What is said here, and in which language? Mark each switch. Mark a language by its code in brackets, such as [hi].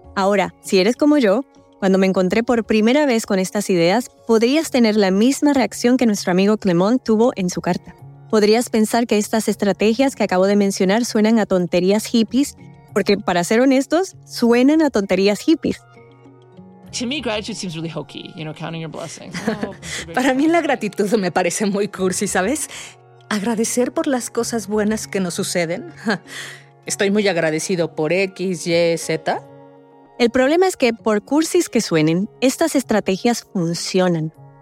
[es] Ahora, si eres como yo, cuando me encontré por primera vez con estas ideas, podrías tener la misma reacción que nuestro amigo Clement tuvo en su carta. Podrías pensar que estas estrategias que acabo de mencionar suenan a tonterías hippies, porque, para ser honestos, suenan a tonterías hippies. [en] To me, gratitude seems really hokey, you know, counting your blessings. [es] Para mí la gratitud me parece muy cursi, ¿sabes? Agradecer por las cosas buenas que nos suceden. Estoy muy agradecido por X, Y, Z. El problema es que, por cursis que suenen, estas estrategias funcionan.